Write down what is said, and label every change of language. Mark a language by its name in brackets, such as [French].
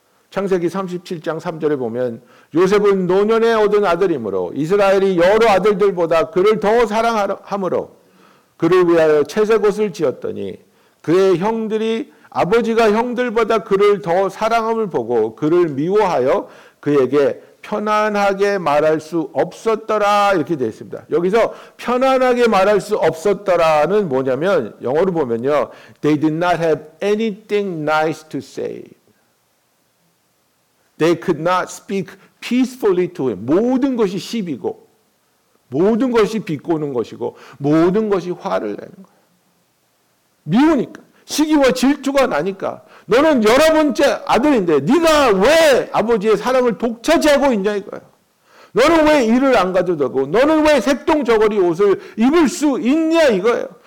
[Korean] 창세기 37장 3절에 보면 요셉은 노년에 얻은 아들이므로 이스라엘이 여러 아들들보다 그를 더 사랑하므로 그를 위하여 채색옷을 지었더니 그의 형들이 아버지가 형들보다 그를 더 사랑함을 보고 그를 미워하여 그에게 편안하게 말할 수 없었더라, 이렇게 되어 있습니다. 여기서 편안하게 말할 수 없었더라는 뭐냐면 영어로 보면요, [English] They did not have anything nice to say. They could not speak peacefully to him. [Korean] 모든 것이 시비고 모든 것이 비꼬는 것이고 모든 것이 화를 내는 거예요. 미우니까, 시기와 질투가 나니까. 너는 여러 번째 아들인데 네가 왜 아버지의 사랑을 독차지하고 있냐 이거예요. 너는 왜 일을 안 가도 되고 너는 왜 색동저고리 옷을 입을 수 있냐 이거예요.